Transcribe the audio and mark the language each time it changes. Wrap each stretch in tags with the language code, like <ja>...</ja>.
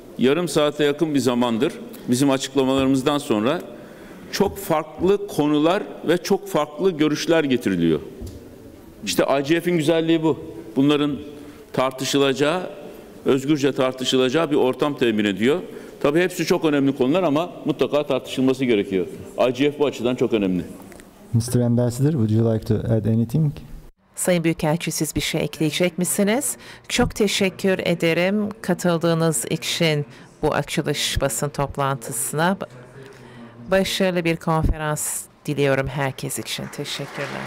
<tr>Yarım saate yakın bir zamandır bizim açıklamalarımızdan sonra çok farklı konular ve çok farklı görüşler getiriliyor. İşte ICF'in güzelliği bu. Bunların tartışılacağı, özgürce tartışılacağı bir ortam temin ediyor. Tabii hepsi çok önemli konular ama mutlaka tartışılması gerekiyor. ICF bu açıdan çok önemli.</tr> <en>Mr. Ambassador, would you like to add anything?</en> <tr>Sayın Büyükelçi, siz bir şey ekleyecek misiniz? Çok teşekkür ederim katıldığınız için bu açılış basın toplantısına. Başarılı bir konferans diliyorum herkes için. Teşekkürler.</tr>